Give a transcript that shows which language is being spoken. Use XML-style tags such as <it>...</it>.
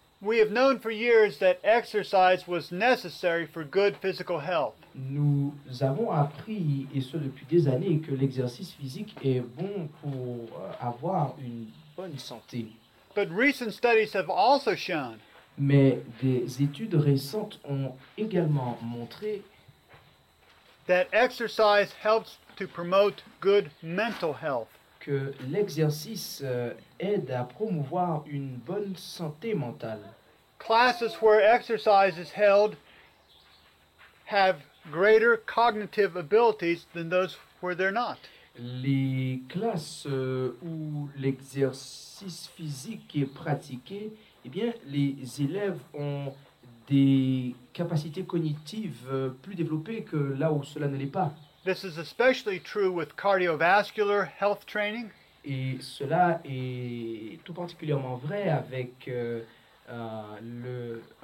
<en>We have known for years that exercise was necessary for good physical health.</en> <fr>Nous avons appris, et ce depuis des années, que l'exercice physique est bon pour avoir une bonne santé.</fr> <en>But recent studies have also shown.</en> <fr>Mais des études récentes ont également montré</fr> <en>that exercise helps to promote good mental health.</en> <fr>Que l'exercice aide à promouvoir une bonne santé mentale.</fr> <en>Classes where exercise is held have greater cognitive abilities than those where they're not.</en> <fr>Les classes où l'exercice physique est pratiqué, eh bien, les élèves ont des capacités cognitives plus développées que là où cela ne l'est pas.</fr> <en>This is especially true with cardiovascular health training.</en> <fr>Et cela est tout particulièrement vrai avec le</fr>